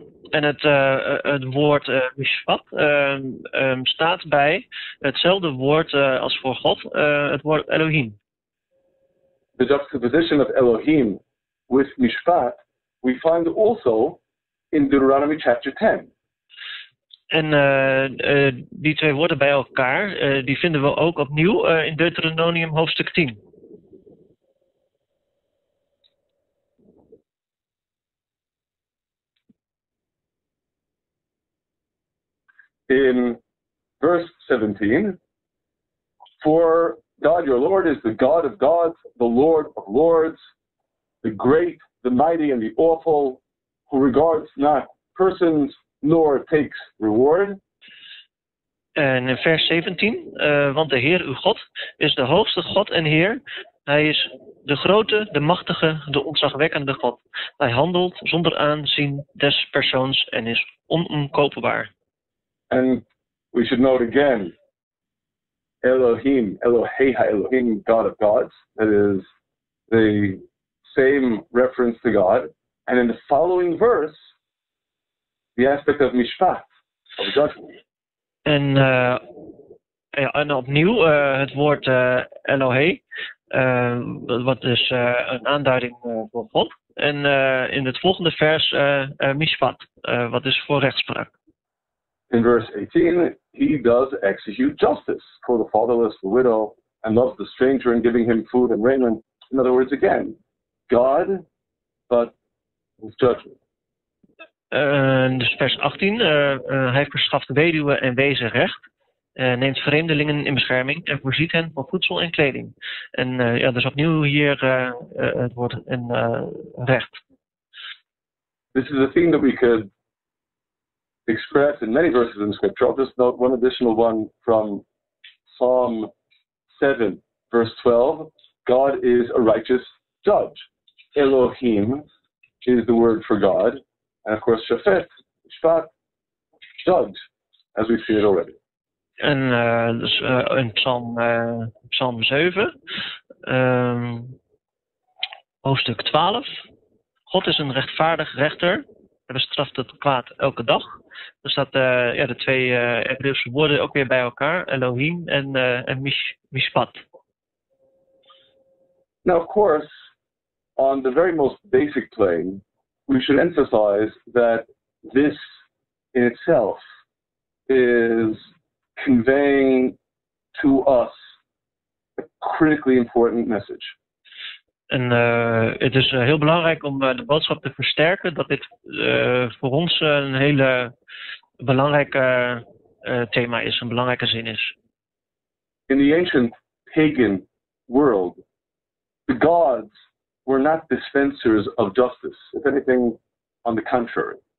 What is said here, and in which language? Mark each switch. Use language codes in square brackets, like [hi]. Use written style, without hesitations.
[nl] En het woord mishpat staat bij hetzelfde woord als voor God, het woord Elohim. [en] The juxtaposition of Elohim with mishpat we find also in Deuteronomy chapter 10. [nl] En die twee woorden bij elkaar, die vinden we ook opnieuw in Deuteronomium hoofdstuk 10. [en] In verse 17, for God your Lord is the God of gods, the Lord of lords, the great, the mighty, and the awful, who regards not persons, nor takes reward. [nl] En in vers 17, want de Heer uw God is de hoogste God en Heer. Hij is de grote, de machtige, de ontzagwekkende God. Hij handelt zonder aanzien des persoons en is onomkoopbaar. [en] And we should note again, Elohim, Eloheha, Elohim, God of gods. That is the same reference to God. And in the following verse, the aspect of mishpat, of judgment. [nl] En opnieuw het woord Elohe, wat is een aanduiding voor God. En in het volgende vers mishpat, wat is voor rechtspraak. [en] In verse 18, he does execute justice for the fatherless, the widow, and loves the stranger in giving him food and raiment. In other words, again, God, but with judgment. [nl] Dus vers 18, hij verschaft weduwe en wezen recht, neemt vreemdelingen in bescherming en voorziet hen van voedsel en kleding. En ja, dus opnieuw hier het woord in recht. [en] This is a theme that we could express in many verses in scripture. I'll just note one additional one from Psalm 7, verse 12. God is a righteous judge. Elohim is the word for God. En of course, Shafet, Shvat, judge, as we see it already. [nl] En dus in Psalm 7, hoofdstuk 12. God is een rechtvaardig rechter. Hij bestraft het kwaad elke dag. Dan staat de twee Hebreeuwse woorden ook weer bij elkaar: Elohim en Mishpat. [en] Now, of course, on the very most basic plane, we should emphasize that this in itself is conveying to us a critically important message. [nl] En het is heel belangrijk om de boodschap te versterken dat dit voor ons een hele belangrijke thema is, een belangrijke zin is. [en] In the ancient pagan world, the gods were not dispensers of justice. If anything, on the contrary.